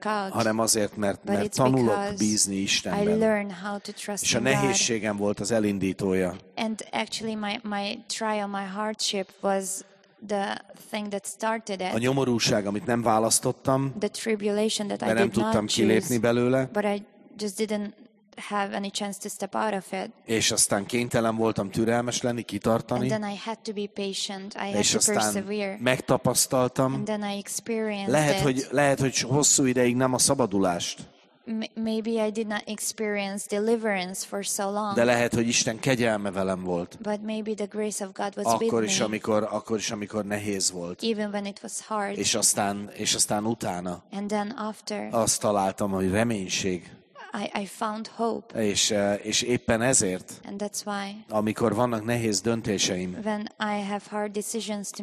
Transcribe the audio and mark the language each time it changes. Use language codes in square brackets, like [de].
[hu] Hanem azért, mert tanulok bízni Istenben. És a nehézségem volt az elindítója. [en] And actually my trial, my hardship was the thing that started it. [hu] A nyomorúság, amit nem választottam, [en] the tribulation that [hu] de nem tudtam kilépni belőle. [en] But I just didn't have any chance to step out of it. [hu] És aztán kénytelen voltam türelmes lenni, kitartani. [en] And then I had to be patient. I had to persevere. [hu] Megtapasztaltam. [en] And then I experienced [hu] lehet, hogy hosszú ideig nem a szabadulást. [en] Maybe I did not experience deliverance for so long. [hu] De lehet, hogy Isten kegyelme velem volt. [en] But maybe the grace of God was with me. [hu] Akkor is, amikor nehéz volt. [en] Even when it was hard. [hu] És aztán utána. [en] And then after. [hu] Azt találtam, hogy reménység. [en] I found hope. [hu] És éppen ezért, [en] and that's why, [hu] amikor vannak nehéz döntéseim, [en] when I have hard decisions to